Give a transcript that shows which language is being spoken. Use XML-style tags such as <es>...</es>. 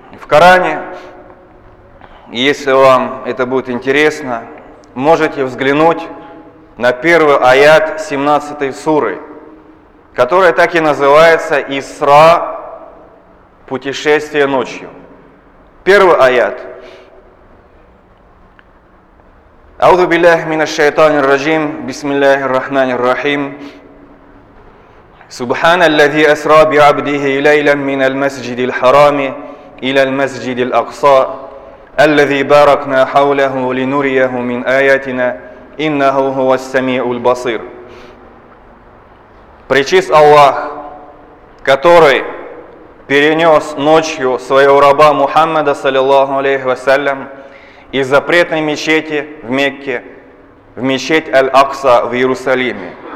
<ru>В Коране, если вам это будет интересно, можете взглянуть на первый аят 17 суры, которая так и называется «Исра, путешествие ночью». Первый аят.</ru> <ar>«Ауду биллях минаш шайтанир раджим, бисмиллях рахманир рахим». سبحان الذي أسرى بعبده ليلا من المسجد الحرام إلى المسجد الأقصى الذي باركنا حوله لنريه من آياتنا إنه هو السميع البصير.</ar> <ru>Причист Аллах, который перенес ночью своего раба Мухаммада, саллиллаху алейхи вассалям, из запретной мечети в Мекке в мечеть Аль-Акса в Иерусалиме.</ru>